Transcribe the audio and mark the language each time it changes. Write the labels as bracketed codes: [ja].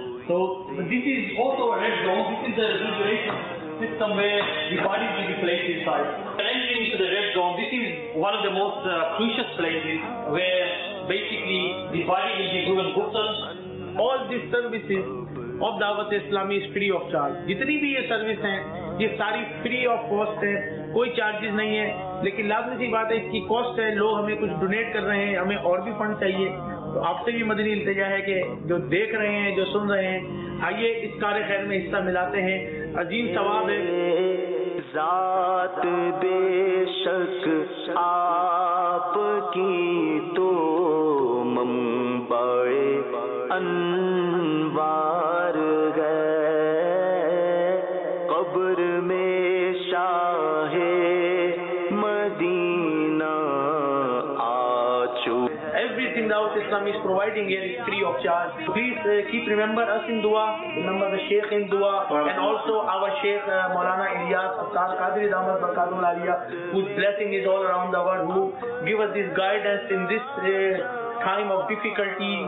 [en] So this is also a red zone. This is the refrigeration system where the body will be placed inside. Entering into the red zone, this is one of the most crucial places where basically the body will be given ghusl. All these services of Dawat Islami is free of charge. [ur] جتنی بھی یہ service ہیں، یہ ساری [en] free of cost [ur] ہیں۔ کوئی charges نہیں ہیں۔ لیکن لازمی سی بات ہے، اس کی کاسٹ ہے۔ لوگ ہمیں کچھ ڈونیٹ کر رہے ہیں۔ ہمیں اور بھی فنڈ چاہیے۔ تو آپ سے بھی مدنی التجا ہے کہ جو دیکھ رہے ہیں، جو سن رہے ہیں، آئیے اس کارِ خیر میں حصہ ملاتے ہیں۔ عظیم ثواب ہے۔ ذات بے شک آپ کی تو منبع انوار ہے قبر میں شاہ مدینہ آ چکے [en] Everything Dawat Islam is providing here is free of charge. Please keep remember us in dua, remember the Sheikh in dua, and also our Sheikh Maulana Ilyas Abtar Qadri Damat Barkatul Aliya, whose blessing is all around the world, who give us this guidance in this time of difficulty.